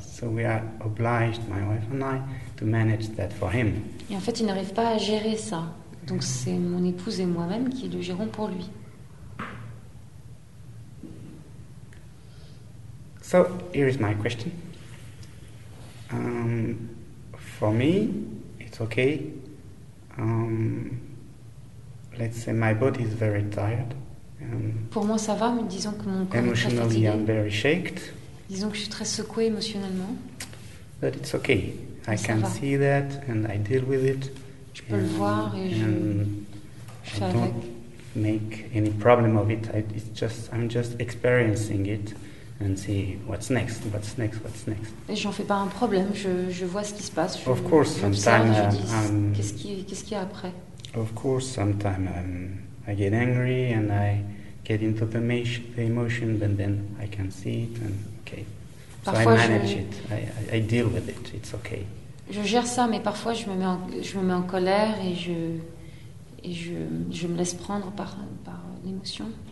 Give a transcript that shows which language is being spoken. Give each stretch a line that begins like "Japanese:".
English: So we are obliged, my wife and I, to manage that for him.
French: Et en fait, il n'arrive pas à gérer ça. Donc c'est mon épouse et moi-même qui le gérons pour lui.
English: So, here is my question. For me, it's okay. Let's say my body is very tired.
French: Pour moi ça va, mais disons que mon corps est très fatigué.
English: Emotionally, I'm very shaked.
French: Disons que je suis très secouée émotionnellement.
English: But it's okay. I can see that and I deal with it.
French: Je peux le voir et je fais avec.
English: I don't make any problem of it. I'm just experiencing it and see what's next.
French: Et j'en fais pas un problème. Je vois ce qui se passe.
English: Of course, sometimes I'm.
French: Qu'est-ce qu'il y a après?
English: Of course, sometimes I get angry and I get into the emotion, but then I can see it and okay.
French: Parfois
English: so I manage it. I deal with it. It's okay.
French: Je gère ça, mais parfois je me mets en colère et je me laisse prendre par l'émotion.